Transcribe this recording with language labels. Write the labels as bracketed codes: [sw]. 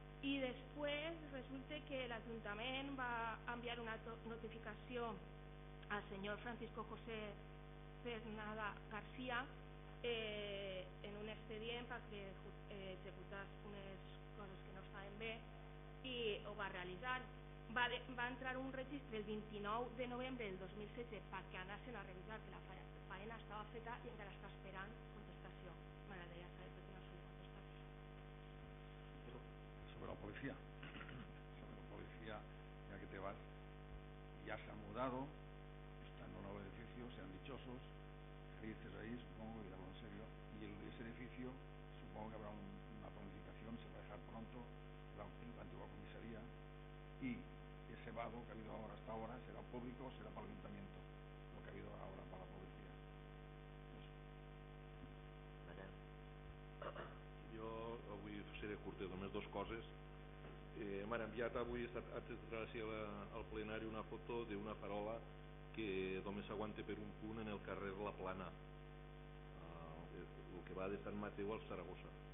[ca] I després resulta que l'Ajuntament va enviar una notificació al senyor Francisco José Fernanda García en un expedient perquè executés unes coses que no estaven bé i ho va realitzar. Va entrar un registre el 29 de novembre del 2016 perquè anessin a revisar que la faena estava feta i encara està esperant contestació. M'agradaria saber per què no s'ha de contestar. Sobre la policia, ja que te vas, [es] ja s'ha mudado, [ca] està en un nou edifici, [es] sean dichosos, felices ahí, supongo que digamos en serio, y ese edificio, supongo que habrá una planificación, se va a dejar pronto la antigua comisaría, y ese vago que ha habido ahora hasta ahora será público o será para el ayuntamiento, lo que ha habido ahora para la policía. [ca] Yo avui seré curtet, només 2 coses. M'han enviat avui, [es] antes de entrar [ca] al plenari, una foto d'una farola que només s'aguanta per un punt en el carrer La Plana, el que va de Sant Mateu al Saragossa.